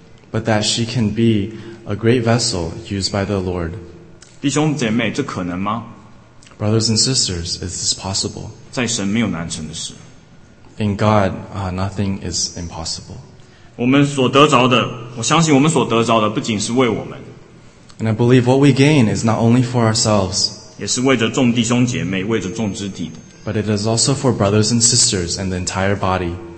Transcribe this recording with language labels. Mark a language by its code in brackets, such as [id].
[en] But that she can be a great vessel used by the Lord. [zh] 弟兄姐妹，这可能吗？ [en] Brothers and sisters, is this possible? [zh] 在神没有难成的事。 [en] In God, nothing is impossible. [zh] 我们所得着的，我相信我们所得着的不仅是为我们。 [en] And I believe what we gain is not only for ourselves. [zh] 也是为着众弟兄姐妹，为着众肢体的。 [en] But it is also for brothers and sisters and the entire body.